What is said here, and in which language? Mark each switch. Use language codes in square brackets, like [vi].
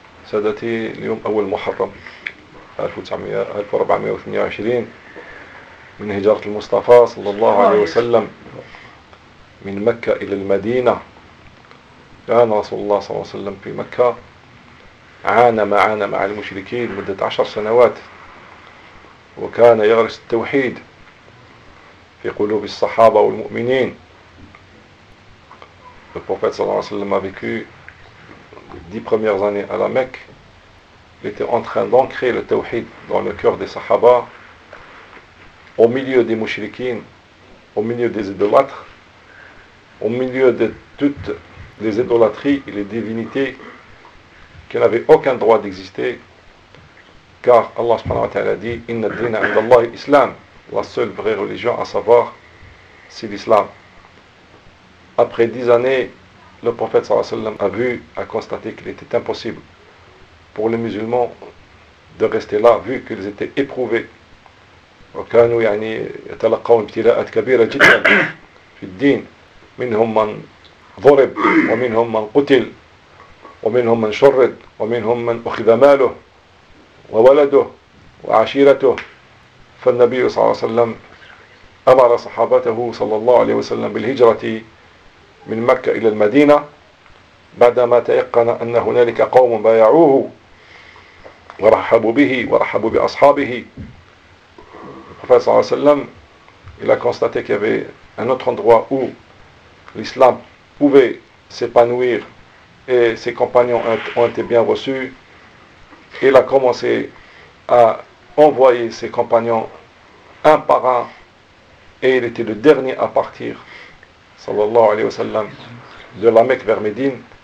[ar] سادتي، اليوم أول محرم 1422 من هجرة المصطفى صلى الله عليه وسلم من مكة إلى المدينة. كان رسول الله صلى الله عليه وسلم في مكة عانى مع المشركين مدة 10 سنوات، وكان يغرس التوحيد في قلوب الصحابة والمؤمنين. النبي صلى الله عليه وسلم [fr] a vécu 10 premières années à la Mecque. Il était en train d'ancrer le tawhid dans le cœur des sahaba, au milieu des mouchriquins, au milieu des idolâtres, au milieu de toutes les idolâtries et les divinités qui n'avaient aucun droit d'exister, car Allah subhanahu wa ta'ala dit « [ar] Inna dina indallahi islam [fr] » la seule vraie religion à savoir, c'est l'islam. Après 10 années, le prophète sallallahu alayhi wa sallam a constaté qu'il était impossible pour les musulmans de rester là, vu qu'ils étaient éprouvés. [ar] وكانوا يعني يتلقون ابتلاءات كبيرة جدا في الدين. منهم من ضرب، ومنهم من قتل، ومنهم من شرد، ومنهم من أخذ ماله وولده وعشيرته. فالنبي صلى الله عليه وسلم أمر صحابته صلى الله عليه وسلم بالهجرة من مكة إلى المدينة بعدما تيقن أن هنالك قوم بايعوه ورحبوا به ورحبوا بأصحابه. [fr] Prophète sallallahu alayhi wa sallam, il a constaté qu'il y avait un autre endroit où l'islam pouvait s'épanouir et ses compagnons ont été bien reçus. Il a commencé à envoyer ses compagnons un par un et il était le dernier à partir, sallallahu alayhi wa sallam, de la Mecque vers Médine.